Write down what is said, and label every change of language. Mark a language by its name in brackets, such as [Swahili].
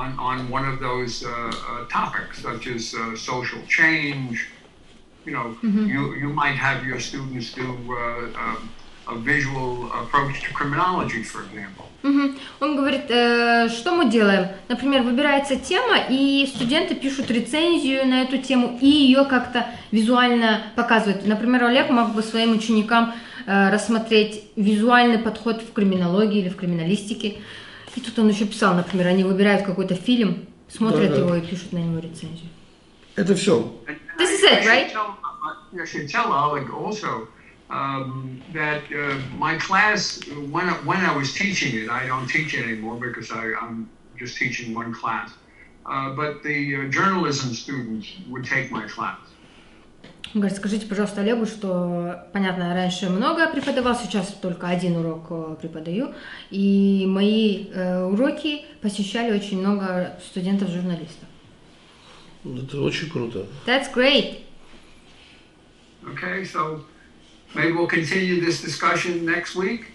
[English] On one of those topics, such as social change, you know, mm-hmm. you might have your students do a visual approach to criminology, for example. Mm-hmm. [Russian] Он говорит, что мы делаем? Например, выбирается тема, и студенты пишут рецензию на эту тему и ее как-то визуально показывают. Например, Олег мог бы своим ученикам рассмотреть визуальный подход в криминологии или в криминалистике. И тут он еще писал, например, они выбирают какой-то фильм, смотрят его и пишут на него рецензию. Это все. [English] This is it, right? I should tell Oleg also that my class, when I was teaching it, I don't teach it anymore because I'm just teaching one class, but the journalism students would take my class. [Russian] Говорит, скажите, пожалуйста, Олегу, что, понятно, я раньше много преподавал, сейчас только один урок преподаю, и мои уроки посещали очень много студентов-журналистов. Это очень круто. [English] That's great. Okay, so maybe we'll continue this discussion next week.